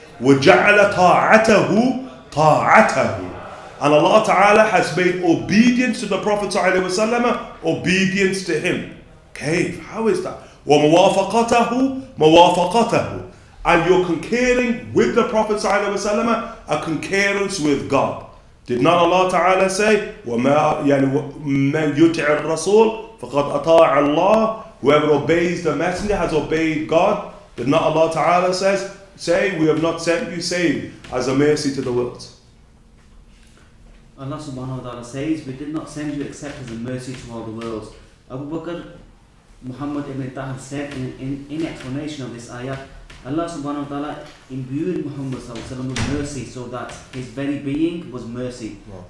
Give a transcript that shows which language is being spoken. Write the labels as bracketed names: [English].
[Arabic] وَجَعَلَ طَاعَتَهُ طَاعَتَهُ. [English] And Allah ta'ala has made obedience to the Prophet ﷺ obedience to him. Okay, how is that? [Arabic] وَمُوَافَقَتَهُ مُوَافَقَتَهُ. [English] And you're concurring with the Prophet ﷺ, a concurrence with God. Did not Allah ta'ala say, [Arabic] وَمَا يُتِعَ الرَّسُولِ فَقَدْ أَطَاعَ اللَّهِ. [English] Whoever obeys the messenger has obeyed God. Did not Allah ta'ala say, we have not sent you save as a mercy to the world. Allah subhanahu wa ta'ala says, we did not send you except as a mercy to all the worlds. Abu Bakr Muhammad ibn Tahir said in explanation of this ayah, Allah subhanahu wa ta'ala imbued Muhammad sallallahu alayhi wa sallam with mercy so that his very being was mercy. Wow.